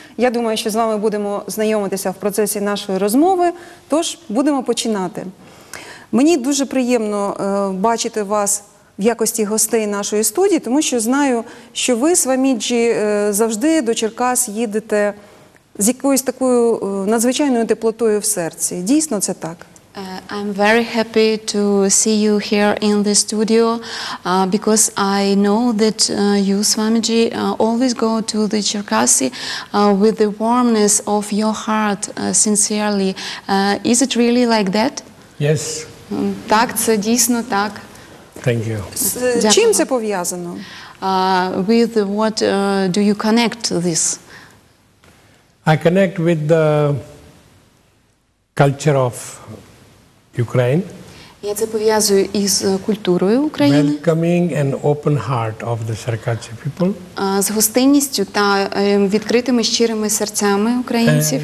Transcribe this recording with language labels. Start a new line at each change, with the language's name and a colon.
Ukrainian: Я думаю, що з вами будемо знайомитися в процесі нашої розмови, тож будемо починати. Мені дуже приємно бачити вас в якості гостей нашої студії, тому що знаю, що ви, Свамідджі, завжди до Черкас їдете з якоюсь такою надзвичайною теплотою в серці. Дійсно це так?
English: I'm very happy to see you here in the studio because I know that you, Swamiji, always go to the Cherkasy with the warmness of your heart, sincerely. Is it really like that? Yes.
Ukrainian: Так, це дійсно так.
English: Thank you.
Ukrainian: З чим це пов'язано?
English: With what do you connect this? I connect with the culture of Ukraine.
Ukrainian: Я це пов'язую із культурою України.
English: Welcoming and open heart of the Cherkasy people.
Ukrainian: З гостинністю та відкритими щирими серцями українців.